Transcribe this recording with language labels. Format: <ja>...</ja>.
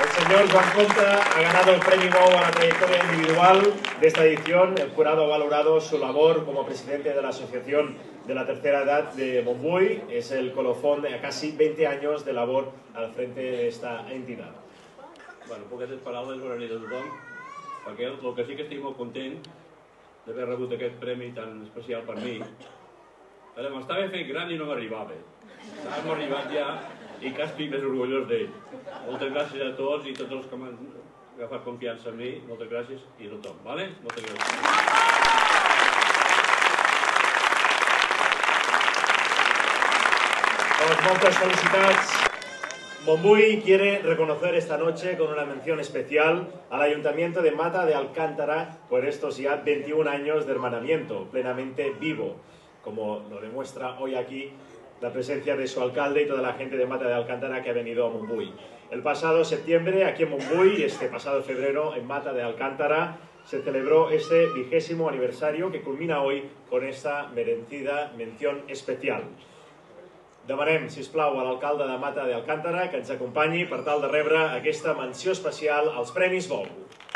<es>Señor Juan Compte ha ganado el Premio Bou a la trayectoria individual de esta edición. El jurado ha valorado su labor como presidente de la Asociación de la Tercera Edad de Montbui. Es el colofón de casi 20 años de labor al frente de esta entidad.</es> <ca>Bueno, poquetes paraules, bona nit a tothom. Perquè el que sí que estic molt content d'haver rebut aquest premi tan especial per mi. M'estava fent gran i no m'arribava. Hem arribat ja i que estic més orgullós d'ell. Moltes gràcies a tots i a tots els que m'han agafat confiança en mi. Moltes gràcies i a tothom, vale? Moltes gràcies. Doncs moltes felicitats.</ca> <es>Montbui quiere reconocer esta noche con una mención especial al Ayuntamiento de Mata de Alcántara por estos ya 21 años de hermanamiento plenamente vivo, como lo demuestra hoy aquí la presencia de su alcalde y toda la gente de Mata de Alcántara que ha venido a Montbui. El pasado septiembre aquí en Montbui y este pasado febrero en Mata de Alcántara se celebró ese vigésimo aniversario que culmina hoy con esta merecida mención especial.</es> <ca>Demanem, sisplau, a l'alcalde de Mata de Alcántara que ens acompanyi per tal de rebre aquesta menció especial als Premis Volvo.</ca>